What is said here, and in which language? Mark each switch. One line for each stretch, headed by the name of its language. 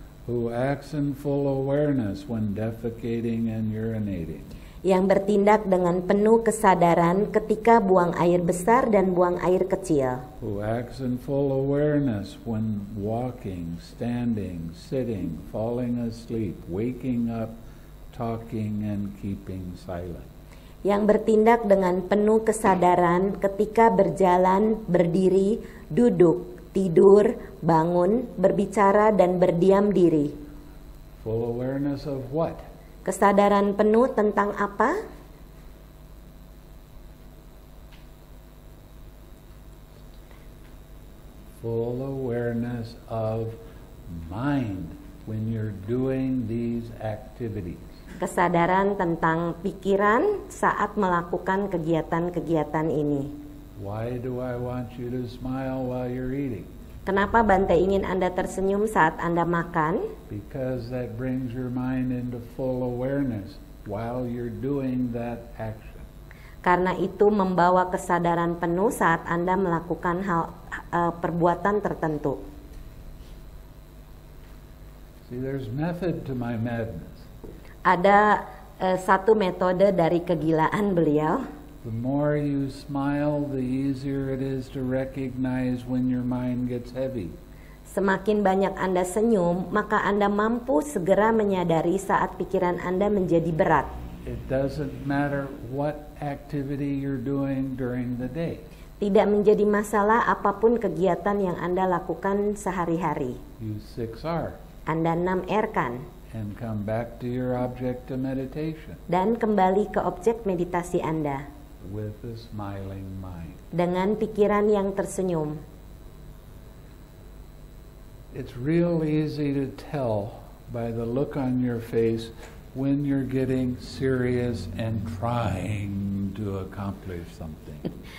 English: Who acts in full awareness when defecating and urinating.
Indonesian: Yang bertindak dengan penuh kesadaran ketika buang air besar dan buang air kecil.
English: Who acts in full awareness when walking, standing, sitting, falling asleep, waking up, talking and keeping silent.
Indonesian: Yang bertindak dengan penuh kesadaran ketika berjalan, berdiri, duduk, tidur, bangun, berbicara dan berdiam diri.
English: Full awareness of what?
Indonesian: Kesadaran penuh tentang apa?
English: Full awareness of mind when you're doing these activities.
Indonesian: Kesadaran tentang pikiran saat melakukan kegiatan-kegiatan ini.
English: Why do I want you to smile while you're eating?
Indonesian: Kenapa Bante ingin Anda tersenyum saat Anda makan?
English: Because that brings your mind into full awareness while you're doing that action.
Indonesian: Karena itu membawa kesadaran penuh saat Anda melakukan hal perbuatan tertentu.
English: See, there's method to my madness.
Indonesian: Ada satu metode dari kegilaan beliau.
English: The more you smile, the easier it is to recognize when your mind gets heavy.
Indonesian: Semakin banyak Anda senyum, maka Anda mampu segera menyadari saat pikiran Anda menjadi berat.
English: It doesn't matter what activity you're doing during the day.
Indonesian: Tidak menjadi masalah apapun kegiatan yang Anda lakukan sehari-hari.
English: You 6R.
Indonesian: Anda 6R kan?
English: And come back to your object of meditation.
Indonesian: Dan kembali ke objek meditasi Anda.
English: With a smiling mind.
Indonesian: Dengan pikiran yang tersenyum.
English: It's real easy to tell by the look on your face when you're getting serious and trying to accomplish something.